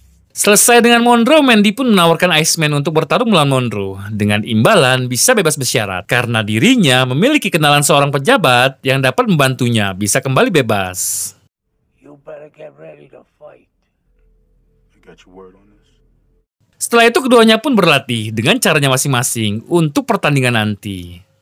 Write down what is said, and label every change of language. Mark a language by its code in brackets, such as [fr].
[id] Selesai dengan Monroe, Mandy pun menawarkan Iceman untuk bertarung melawan Monroe dengan imbalan bisa bebas bersyarat karena dirinya memiliki kenalan seorang pejabat yang dapat membantunya bisa kembali bebas. [en] You better get ready to fight. You got your word on this? [id] Setelah itu keduanya pun berlatih dengan caranya masing-masing untuk pertandingan nanti.